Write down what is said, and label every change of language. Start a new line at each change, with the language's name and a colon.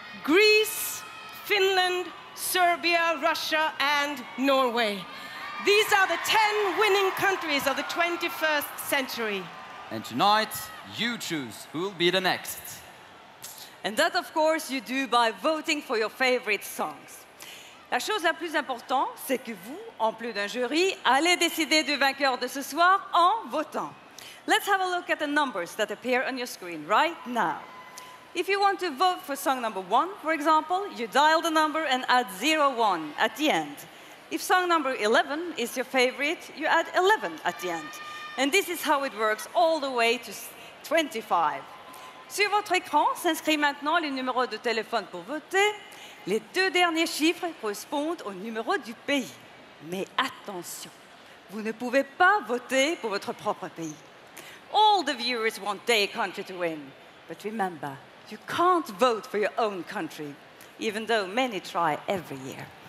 English: Greece, Finland, Serbia, Russia, and Norway. These are the 10 winning countries of the 21st century. And tonight, you choose who will be the next. And that, of course, you do by voting for your favorite songs.
French: La chose la plus importante, c'est que vous, en plus d'un jury, allez décider du vainqueur de ce soir en votant.
English: Let's have a look at the numbers that appear on your screen right now. If you want to vote for song number one, for example, you dial the number and add 01 at the end. If song number 11 is your favorite, you add 11 at the end. And this is how it works all the way to 25.
French: Sur votre écran s'inscrit maintenant le numéro de téléphone pour voter. Les deux derniers chiffres correspondent au numéro du pays. Mais attention, vous ne pouvez pas voter pour votre propre pays.
English: All the viewers want their country to win. But remember, you can't vote for your own country, even though many try every year.